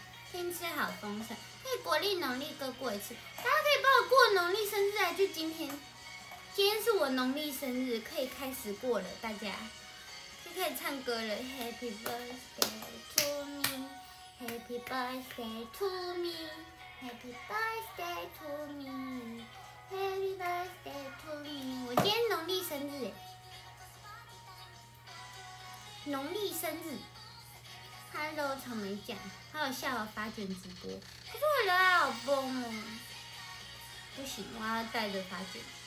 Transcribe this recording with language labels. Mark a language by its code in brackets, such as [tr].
[zh] 天气好丰盛，可以国历农历各过一次。大家可以帮我过农历生日啊！就今天是我农历生日，可以开始过了，大家就可以唱歌了。 [en] Happy birthday to me, Happy birthday to me, Happy birthday to me, Happy birthday to me。 [zh] 我今天农历生日，农历生日。 Hello， 草莓酱，还有下午发卷直播，可是我刘海好崩哦，不行，我要带着发卷。